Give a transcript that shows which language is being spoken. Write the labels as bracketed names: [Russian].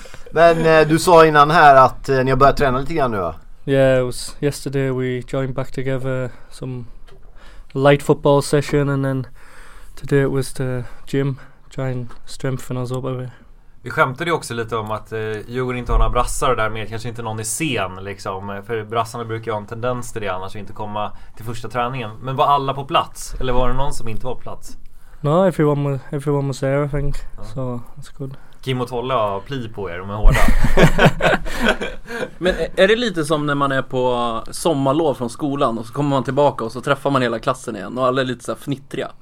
[Swedish] Men du sa innan här att ni har börjat träna lite grann nu, va? [English] Yeah, it was yesterday we joined back together some light football session, and then today it was the gym, try and strengthen us up a bit. [Swedish] Vi skämtade ju också lite om att Djurgården inte har några brassar, och därmed kanske inte någon är sen liksom. För brassarna brukar ju ha en tendens till det annars, att inte komma till första träningen. Men var alla på plats? Eller var det någon som inte var på plats? [English] No, everyone was there, I think. Ja. So, that's good. [Swedish] Kim och Tolle har pli på er, de är hårda. Men är det lite som när man är på sommarlov från skolan och så kommer man tillbaka och så träffar man hela klassen igen och alla är lite så här fnittriga?